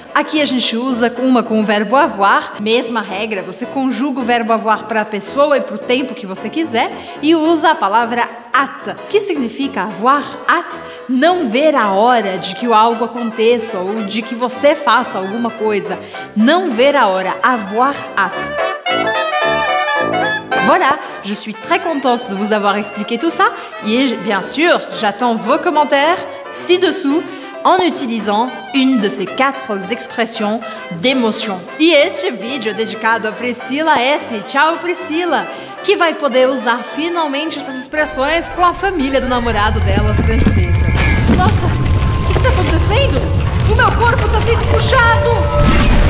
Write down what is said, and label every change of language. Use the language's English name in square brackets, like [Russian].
[Portuguese] Aqui a gente usa uma com o verbo avoir, mesma regra, você conjuga o verbo avoir para a pessoa e para o tempo que você quiser e usa a palavra hâte, que significa avoir hâte, não ver a hora de que algo aconteça ou de que você faça alguma coisa. Não ver a hora, avoir hâte. [French] Voilà, je suis très contente de vous avoir expliqué tout ça et bien sûr, j'attends vos commentaires ci-dessous en utilisant une de ces quatre expressions d'émotion. [Portuguese] E este vídeo dedicado a Priscila S. Tchau, Priscila! Que vai poder usar finalmente essas expressões com a família do namorado dela, francesa. Nossa, o que está acontecendo? O meu corpo está sendo puxado!